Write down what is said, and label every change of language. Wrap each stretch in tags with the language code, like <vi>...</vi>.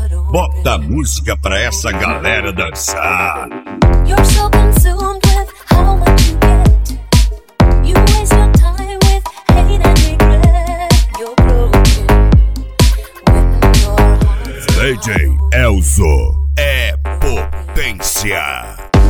<pt>Bota a música pra essa galera dançar.</pt> <en>You're so consumed with how much you get. You waste your time with hate and regret. You're broken when your heart's not open.</en> <pt>DJ Elzo é potência.</pt>